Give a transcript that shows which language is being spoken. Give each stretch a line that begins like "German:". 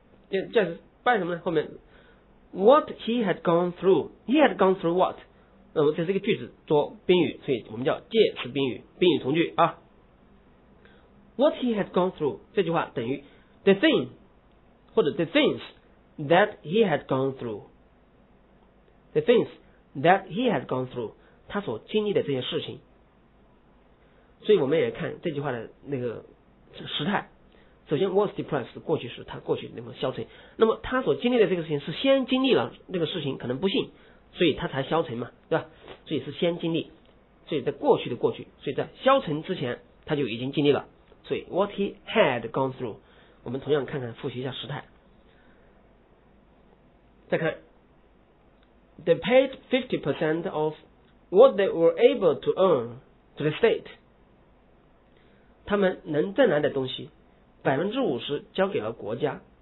Chinese: 介词 by 什么呢？后面
English: what he had gone through, he had gone through what,
Chinese: 那么这是一个句子，做宾语，所以我们叫介词宾语，宾语从句啊。
English: What he had gone through
Chinese: 这句话等于
English: the thing
Chinese: 或者
English: the things that he had gone throughThe things that he had gone through,
Chinese: 他所经历的这些事情。所以我们也看这句话的那个时态。首先 was depressed, 过去时他过去那么消沉。那么他所经历的这个事情是先经历了那个事情，可能不幸，所以他才消沉嘛，对吧？所以是先经历，所以在过去的过去，所以在消沉之前他就已经经历了。所以
English: what he had gone through,
Chinese: 我们同样看看复习一下时态。再看
English: They paid 50% of what they were able to earn to the state.
Chinese: 他们能挣来的东西 50% 交给了国家。